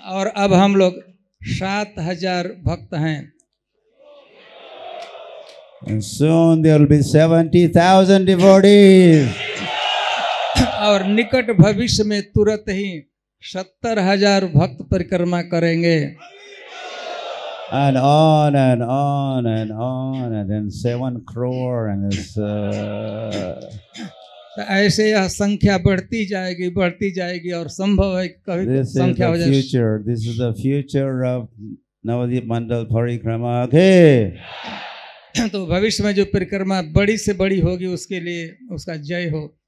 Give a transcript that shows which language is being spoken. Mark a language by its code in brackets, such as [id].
[hi] और अब हम लोग 7,000 भक्त हैं [en] And soon there will be 70,000 devotees. [hi] और निकट भविष्य में तुरंत ही 70,000 भक्त परिक्रमा करेंगे [en] And on and on and on and then 7 crore and it's [hi] ऐसे यह संख्या बढ़ती जाएगी और संभव है कभी संख्या हो जाए [en] future this is the future of Navadvip Mandal Parikrama okay [hi] तो भविष्य में जो परिक्रमा बड़ी से बड़ी होगी उसके लिए उसका जय हो